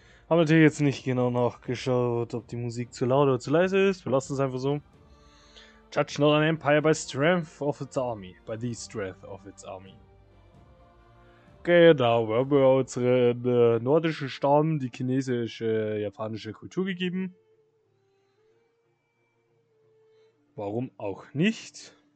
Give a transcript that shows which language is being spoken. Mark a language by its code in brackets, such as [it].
[de] Haben natürlich jetzt nicht genau nachgeschaut, ob die Musik zu laut oder zu leise ist. Wir lassen es einfach so. [en] Judge not an empire by strength of its army. By the strength of its army. [de] Genau, wir haben ja unseren nordischen Stamm die chinesische, japanische Kultur gegeben. Warum auch nicht?